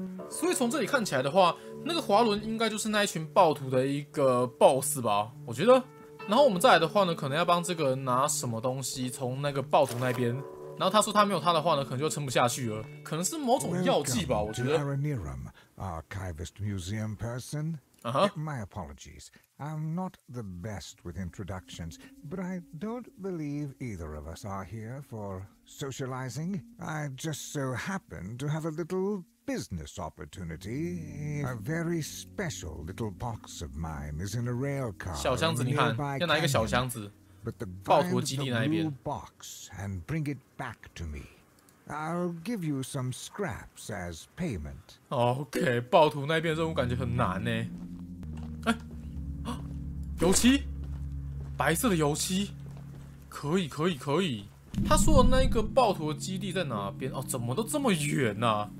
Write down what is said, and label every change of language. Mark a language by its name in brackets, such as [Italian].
[Chinese] 所以从这里看起来的话，那个华伦应该就是那一群暴徒的一个 boss 吧，我觉得。然后我们再来的话呢，可能要帮这个人拿什么东西从那个暴徒那边。然后他说他没有他的话呢，可能就撑不下去了，可能是某种药剂吧，我觉得。 [English] Welcome to Aranirum, archivist museum person. My apologies, I'm not the best with introductions, but I don't believe either of us are here for socializing. I just so happen to have a little. Business opportunity. A very special little box of mine is in a rail car. [Chinese] 小箱子，你看，要拿一个小箱子。 [English] But the blue box and bring it back to me. I'll give you some scraps as payment. [Chinese] Okay, 暴徒那边任务感觉很难呢。哎，啊，油漆，白色的油漆，可以，可以，可以。他说的那个暴徒的基地在哪边？哦，怎么都这么远啊？